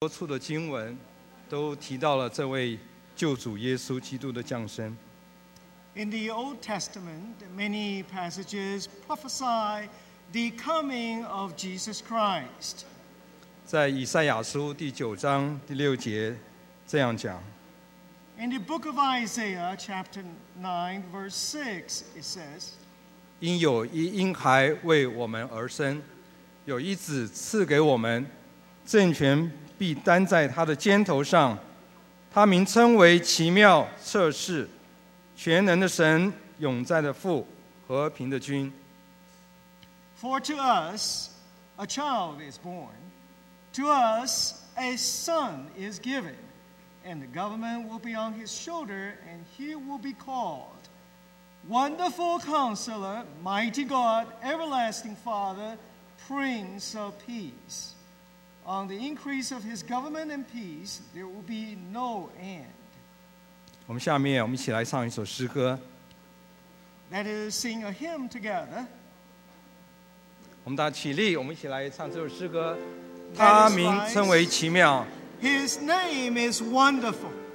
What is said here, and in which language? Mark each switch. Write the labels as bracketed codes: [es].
[zh] 多处的经文都提到了这位救主耶稣基督的降生。 [en] In the Old Testament, many passages prophesy the coming of Jesus Christ. [zh] 在以赛亚书第九章第六节这样讲。 [en] In the book of Isaiah, chapter 9, verse 6, it says, [zh] 因有一婴孩为我们而生，有一子赐给我们，政权必担在他的肩头上，他名称为奇妙、测试、全能的神、永在的父、和平的君。 [en] For to us a child is born, to us a son is given. And the government will be on his shoulder, and he will be called Wonderful Counselor, Mighty God, Everlasting Father, Prince of Peace. On the increase of his government and peace, there will be no end. [zh] 我们下面我们一起来唱一首诗歌。 [en] Let us sing a hymn together. [zh] 我们大家起立，我们一起来唱这首诗歌。他名称为奇妙。 [en] His name is wonderful.